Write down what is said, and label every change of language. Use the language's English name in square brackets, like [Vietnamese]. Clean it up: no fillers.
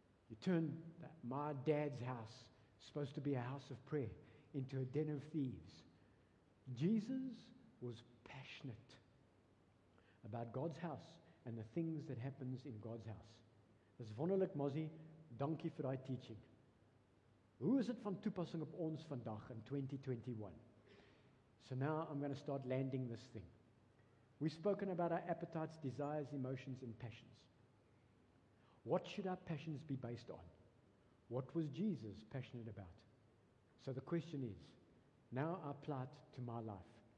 [English] You turn that, my dad's house, supposed to be a house of prayer, into a den of thieves. Jesus was passionate about God's house and the things that happens in God's house. [Afrikaans] Dis wonderlik, Mozzie, dankie vir daai teaching. Hoe is dit van toepassing op ons vandag in 2021? [English] So now I'm going to start landing this thing. We've spoken about our appetites, desires, emotions, and passions. What should our passions be based on? What was Jesus passionate about? So the question is, now I apply it to my life.